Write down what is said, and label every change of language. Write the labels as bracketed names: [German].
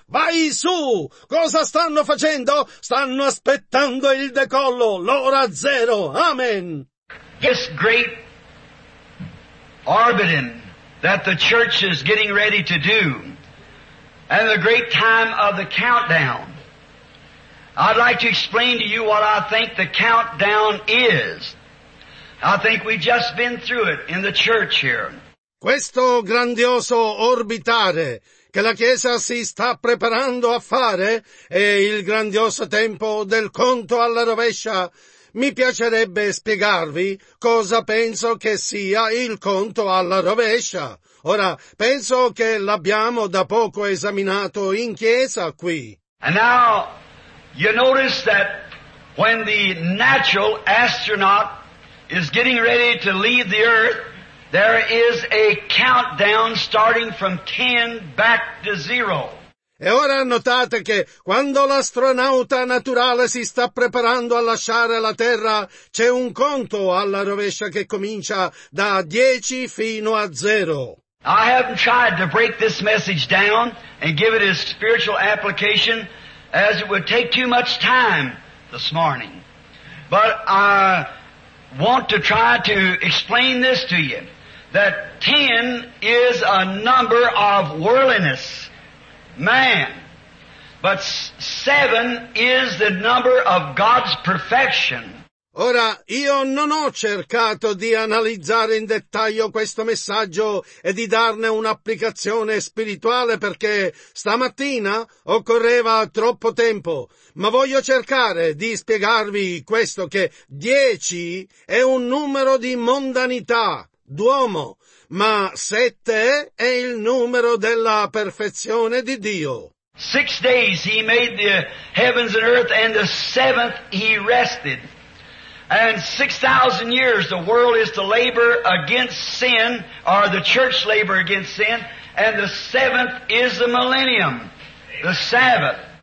[Italian] Vai su! Cosa stanno facendo? Stanno aspettando il decollo. L'ora zero. Amen. [English] This great orbiting that the church is getting ready to do. And the great time of the countdown. I'd like to explain to you what I think the countdown is. I think we've just been through it in the church here. [Italian] Questo grandioso orbitare che la Chiesa si sta preparando a fare è il grandioso tempo del conto alla rovescia. Mi piacerebbe spiegarvi cosa penso che sia il conto alla rovescia. Ora, penso che l'abbiamo da poco esaminato in chiesa qui. [English] And now, you notice that when the natural astronaut is getting ready to leave the earth, there is a countdown starting from 10 back to 0. [Italian] E ora notate che quando l'astronauta naturale si sta preparando a lasciare la Terra, c'è un conto alla rovescia che comincia da 10 fino a 0. [English] I haven't tried to break this message down and give it a spiritual application as it would take too much time this morning. But I want to try to explain this to you, that 10 is a number of worldliness, man. But 7 is the number of God's perfection. [Italian] Ora, io non ho cercato di analizzare in dettaglio questo messaggio e di darne un'applicazione spirituale perché stamattina occorreva troppo tempo, ma voglio cercare di spiegarvi questo che 10 è un numero di mondanità, d'uomo, ma 7 è il numero della perfezione di Dio. [English] 6 days he made the heavens and earth and the seventh he rested. And 6,000 years the world is to labor against sin, or the church labor against sin, and the seventh is the millennium, the Sabbath.